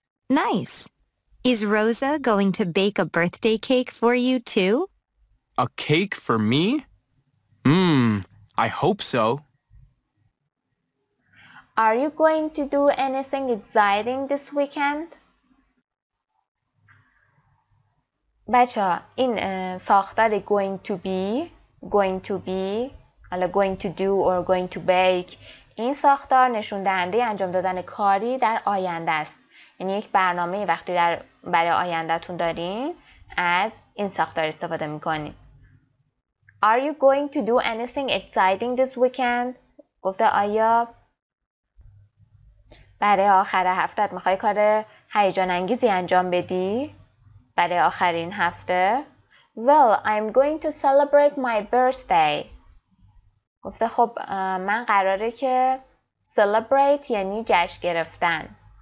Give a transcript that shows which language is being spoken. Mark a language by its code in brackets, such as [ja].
[en] Nice. Is Rosa going to bake a birthday cake for you, too? A cake for me? I hope so. Are you going to do anything exciting this weekend? [fa] بچه ها، این ساختار going to do or going to bake، این ساختار نشوندهنده انجام دادن کاری در آینده است. یعنی یک برنامه وقتی در برای آیندهتون دارین از این ساختار استفاده میکنین. [en] Are you going to do anything exciting this weekend? [fa] گفته آیا برای آخر هفته میخوای کار هیجان انگیزی انجام بدی؟ برای آخرین هفته؟ [en] Well, I'm going to celebrate my birthday. [fa] گفته خب من قراره که celebrate یعنی جشن گرفتن.